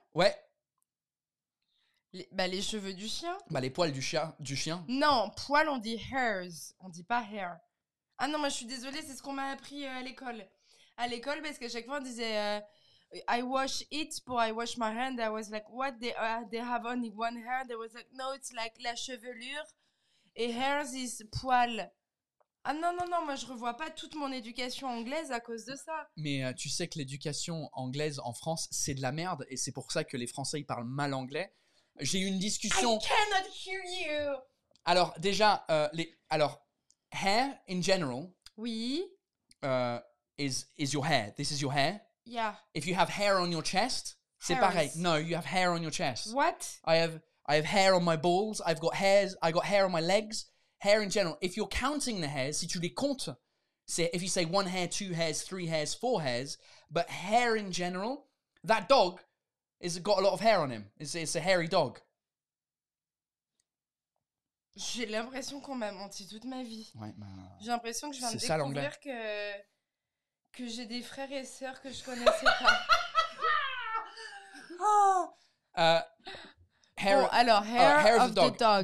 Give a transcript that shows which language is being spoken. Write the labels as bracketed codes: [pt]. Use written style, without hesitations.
[fr] Ouais. Les cheveux du chien. Bah, les poils du chien. Non, poils, on dit hairs, on dit pas hair. Ah non, moi, je suis désolée, c'est ce qu'on m'a appris à l'école. À l'école, parce qu'à chaque fois, on disait [en] I wash it [fr] pour [en] I wash my hand. I was like, what, they have only one hair? They was like, no, it's like [fr] la chevelure. Et hairs is poils. Ah non, moi, je revois pas toute mon éducation anglaise à cause de ça. Mais tu sais que l'éducation anglaise en France, c'est de la merde. Et c'est pour ça que les Français, ils parlent mal anglais. J'ai eu une discussion. [en] I cannot hear you. [fr] Alors déjà, [en] hair in general. [fr] Oui. [en] Is your hair? This is your hair. Yeah. If you have hair on your chest, Harris. [fr] C'est pareil. [en] No, you have hair on your chest. What? I have hair on my balls. I've got hairs. I got hair on my legs. Hair in general. If you're counting the hairs, [fr] si tu les comptes, [en] c'est if you say one hair, two hairs, three hairs, four hairs, but hair in general, that dog. It's got a lot of hair on him. It's a hairy dog. [fr] J'ai l'impression qu'on m'a menti toute ma vie. Ouais, bah, j'ai l'impression que je viens de découvrir que j'ai des frères et sœurs que je connaissais pas. [en] Oh. Hair, [fr] bon, alors, [en] hair of the dog.